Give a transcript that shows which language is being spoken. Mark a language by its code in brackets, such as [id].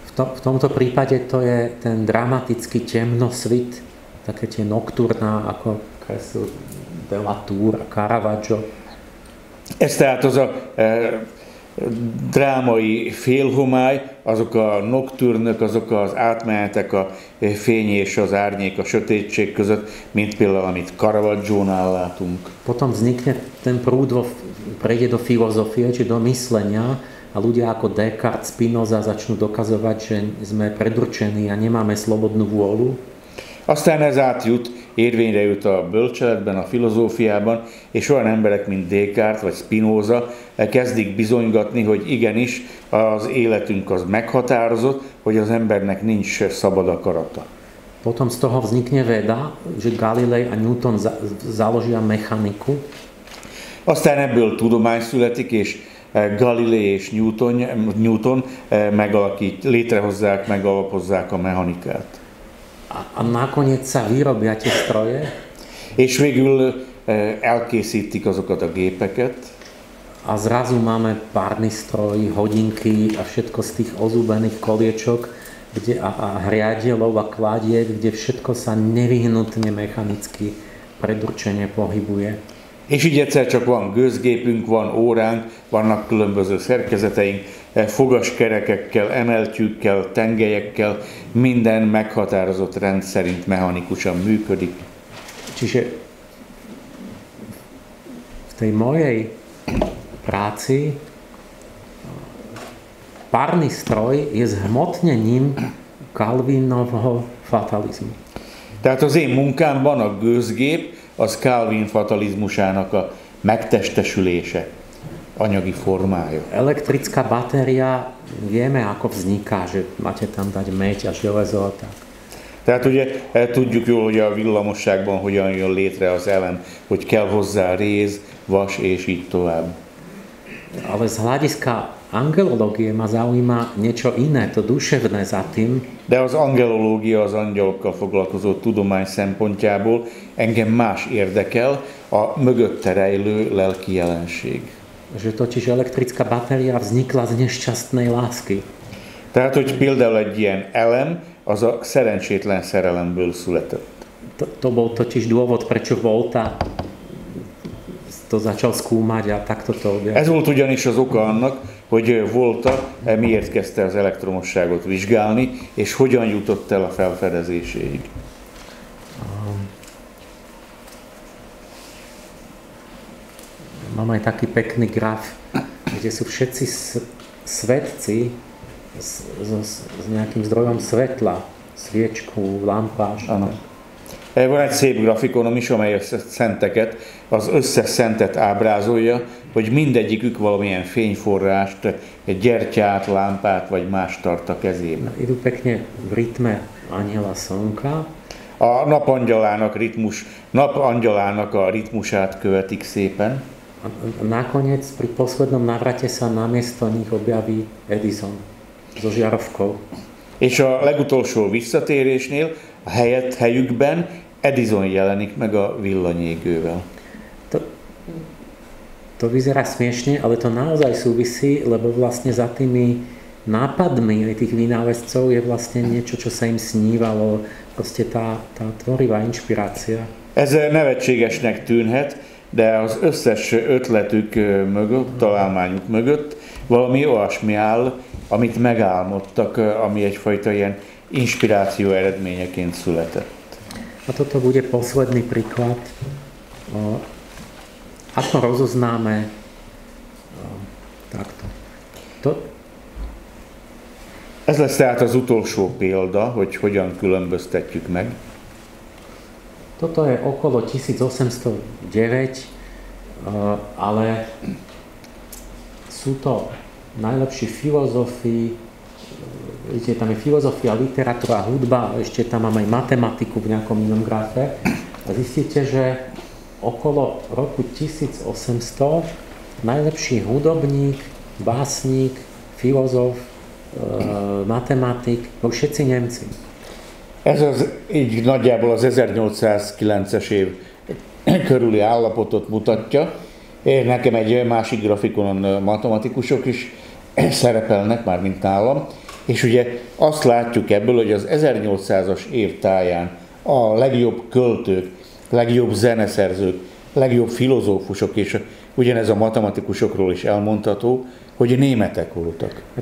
[sk] V tomto prípade to je ten dramatický temnosvit, také tie nocturná, ako kreslil Delatour a Caravaggio. [hu] Ez tehát az a drámai félhomály, azok a nocturnök, azok az átmenetek a fény és az árnyék a sötétség között, mint például, amit Caravaggiónál látunk. [sk] Potom vznikne ten prúd, prejde do filozofie, či do myslenia, a ľudia ako Descartes, Spinoza začnú dokazovať, že sme predurčení a nemáme slobodnú vôľu. [hu] Aztán ez átjut, érvényre jut a bölcseletben, a filozófiában, és olyan emberek, mint Descartes vagy Spinoza kezdik bizonygatni, hogy igenis az életünk az meghatározott, hogy az embernek nincs szabad akarata. [sk] Potom z toho vznikne veda, že Galilei a Newton založia mechaniku. [hu] Aztán ebből tudomány születik, és Galilei és Newton megalakít, létrehozzák, megalapozzák a mechanikát. [sk] A nakoniec sa vyrobia tie stroje? [hu] És végül elkészítik azokat a gépeket. [sk] A zrazu máme párny stroj, hodinky a všetko z tých ozúbených koliečok, kde a hriadielov a kladiek, kde všetko sa nevyhnutne mechanicky predurčene pohybuje. [hu] És így egyszer csak van gőzgépünk, van óránk, vannak különböző szerkezeteink, fogaskerekekkel, emeltyűkkel, tengelyekkel, minden meghatározott rend szerint mechanikusan működik. [sk] Csíze, v tej mojej práci párny stroj je zhmotnením Calvinovho fatalizmu. [hu] Tehát az én munkámban a gőzgép az Calvin fatalizmusának a megtestesülése, anyagi formája. [sk] Elektrická batéria, vieme, ako vzniká, že máte tam dať meď a železo a tak. [hu] Tehát ugye tudjuk jól, hogy a villamosságban hogyan jön létre az elem, hogy kell hozzá réz, vas és így tovább. [sk] Ale z hľadiska angelológie ma zaujíma niečo iné, to duševné za tým. [hu] De az angelológia az angyalokkal foglalkozó tudomány szempontjából engem más érdekel, a mögötte rejlő lelki jelenség. [sk] Že totiž elektrická batéria vznikla z nešťastnej lásky. [hu] Tehát, hogy például egy ilyen elem, az a szerencsétlen szerelemből született. [sk] To bol totiž dôvod, prečo Volta to začal skúmať a takto to objavil. [hu] Ez volt ugyanis az oka annak, hogy Volta miért kezdte az elektromosságot vizsgálni, és hogyan jutott el a felfedezéséig. [sk] Mám aj taký pekný graf, kde sú všetci svetci s nejakým zdrojom svetla, sviečku, lampáž. Áno. [hu] Van egy szép grafikonom is, amely a szenteket, az összes szentet ábrázolja, hogy mindegyikük valamilyen fényforrást, egy gyertyát, lámpát vagy más tart a kezében. [sk] Idú pekne v ritme anjela szonka. [hu] A napangyalának ritmus, napangyalának a ritmusát követik szépen. [sk] A nakoniec pri poslednom návrate sa namiesto nich objaví Edison so žiarovkou. [hu] És a legutolsó visszatérésnél a helyükben Edison jelenik meg a villanyégővel. [sk] To vyzerá smiešne, ale to naozaj súvisí, lebo vlastne za tými nápadmi aj tých vynálezcov je vlastne niečo, čo sa im snívalo, proste tá tvorivá inšpirácia. [hu] Ez nevetségesnek tűnhet, de az összes ötletük mögött, találmányuk mögött valami olyasmi áll, amit megálmodtak, ami egyfajta ilyen inspiráció eredményeként született. [sk] A toto bude posledný príklad. Ako rozoznáme takto. [hu] Ez lesz tehát az utolsó példa, hogy hogyan különböztetjük meg. [sk] Toto je okolo 1809, ale sú to najlepší filozofi, vidíte, tam je filozofia, literatúra, hudba, ešte tam mám aj matematiku v nejakom inom grafe. A zistíte, že okolo roku 1800 najlepší hudobník, básnik, filozof, matematik, boli všetci Nemci. [hu] Ez az így nagyjából az 1809-es év körüli állapotot mutatja. Nekem egy másik grafikonon matematikusok is szerepelnek, már mint nálam. És ugye azt látjuk ebből, hogy az 1800-as év táján a legjobb költők, legjobb zeneszerzők, legjobb filozófusok, és ugyanez a matematikusokról is elmondható, hogy németek voltak.